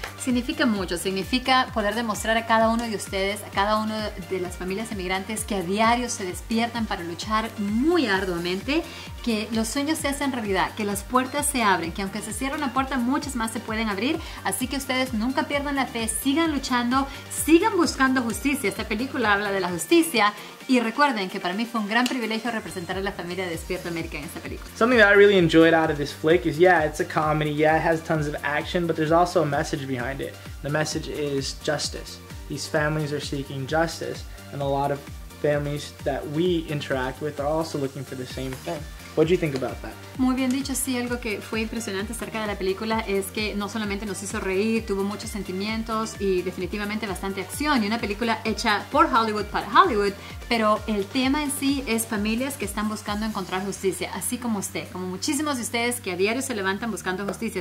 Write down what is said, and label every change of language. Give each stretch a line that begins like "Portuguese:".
Spanish: Significa mucho, significa poder demostrar a cada uno de ustedes, a cada uno de las familias emigrantes que a diario se despiertan para luchar muy arduamente, que los sueños se hacen realidad, que las puertas se abren, que aunque se cierre una puerta, muchas más se pueden abrir. Así que ustedes nunca pierdan la fe, sigan luchando, sigan buscando justicia. Esta película habla de la justicia. Y recuerden que para mí fue un gran privilegio representar a la familia de Despierta América en esta película.
English: Something that I really enjoyed out of this flick is, yeah, it's a comedy, yeah, it has tons of action, but there's also a message behind it. The message is justice. These families are seeking justice, and a lot of families that we interact with are also looking for the same thing. What do you think about that?
Spanish: Muy bien dicho, sí, algo que fue impresionante acerca de la película es que no solamente nos hizo reír, tuvo muchos sentimientos y definitivamente bastante acción. Y una película hecha por Hollywood para Hollywood, pero el tema en sí es familias que están buscando encontrar justicia, así como usted, como muchísimos de ustedes que a diario se levantan buscando justicia.